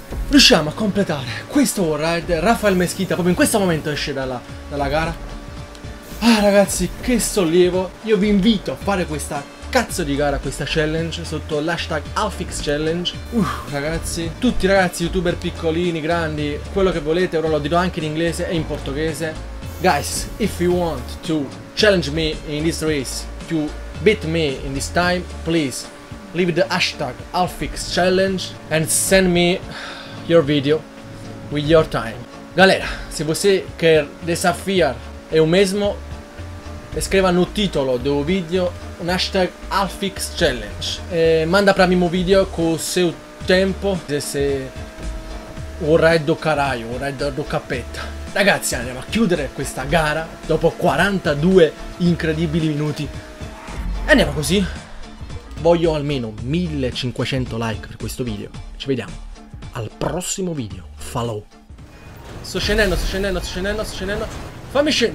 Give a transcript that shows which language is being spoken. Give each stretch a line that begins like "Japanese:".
Italian: Riusciamo a completare questo ride, Rafael Mesquita proprio in questo momento esce dalla gara. Ah ragazzi, che sollievo, io vi invito a fare questa cazzo di gara, questa challenge sotto l'hashtag Alfix Challenge. Ragazzi, tutti ragazzi, youtuber piccolini, grandi, quello che volete, ora lo dirò anche in inglese e in portoghese.
English: Guys, if you want to challenge me in this race, to beat me in this time, please leave the hashtag Alfix Challenge and send me your video with your time.
Portuguese: Galera, se você quer desafiar eu mesmo, escreva no título do vídeo um hashtag Alfix Challenge. E manda para mim o vídeo com o seu tempo, se o raio do caralho, o raio do capeta.
Italian: Ragazzi, andiamo a chiudere questa gara dopo 42 incredibili minuti. E andiamo così. Voglio almeno 1500 like per questo video. Ci vediamo al prossimo video. Follow. Sto scendendo. Fammi scendere.